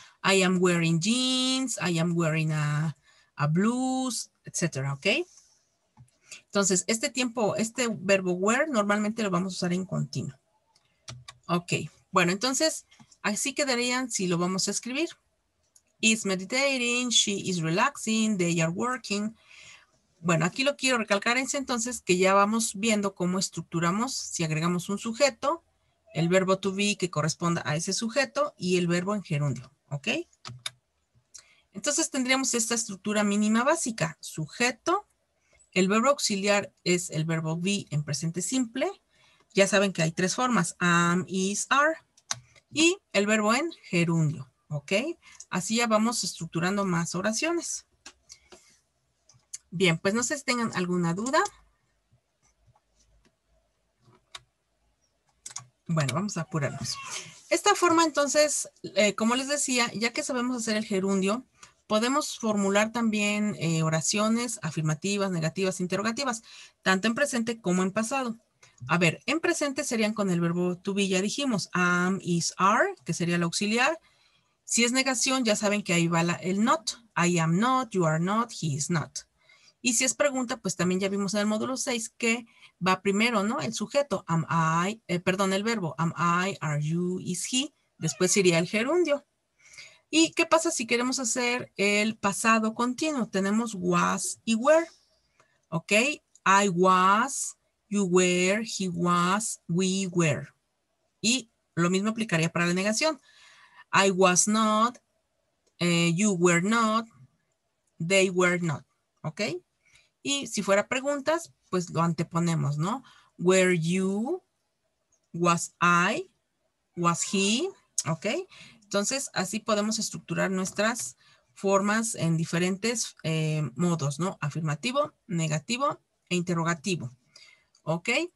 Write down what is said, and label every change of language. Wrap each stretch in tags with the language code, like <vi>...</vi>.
<en>I am wearing jeans, I am wearing a blues,</en> <es>etcétera, ¿ok? Entonces, este tiempo, este verbo wear, normalmente lo vamos a usar en continuo. Ok, bueno, entonces, así quedarían si lo vamos a escribir.</es> <en>Is meditating, she is relaxing, they are working.</en> <es>Bueno, aquí lo quiero recalcar es entonces que ya vamos viendo cómo estructuramos si agregamos un sujeto, el verbo to be que corresponda a ese sujeto y el verbo en gerundio, ¿ok? Entonces tendríamos esta estructura mínima básica, sujeto, el verbo auxiliar es el verbo be en presente simple, ya saben que hay tres formas, am, is, are, y el verbo en gerundio, ¿ok? Así ya vamos estructurando más oraciones. Bien, pues no sé si tengan alguna duda. Bueno, vamos a apurarnos. Esta forma, entonces, como les decía, ya que sabemos hacer el gerundio, podemos formular también oraciones afirmativas, negativas, interrogativas, tanto en presente como en pasado. A ver, en presente serían con el verbo to be, ya dijimos, am, is, are, que sería el auxiliar. Si es negación, ya saben que ahí va el not.</es> <en>I am not, you are not, he is not.</en> <es>Y si es pregunta, pues también ya vimos en el módulo 6 que va primero, ¿no? El sujeto, am I, perdón, el verbo,</es> <en>am I, are you, is he,</en> <es>después iría el gerundio. ¿Y qué pasa si queremos hacer el pasado continuo? Tenemos was y were, ¿ok?</es> <en>I was, you were, he was, we were.</en> <es>Y lo mismo aplicaría para la negación.</es> <en>I was not, you were not, they were not.</en> <es>¿Ok? Y si fuera preguntas, pues lo anteponemos, ¿no?</es> <en>Were you? Was I? Was he? ¿Ok?</en> <es>Entonces, así podemos estructurar nuestras formas en diferentes modos, ¿no? Afirmativo, negativo e interrogativo. ¿Ok?</es>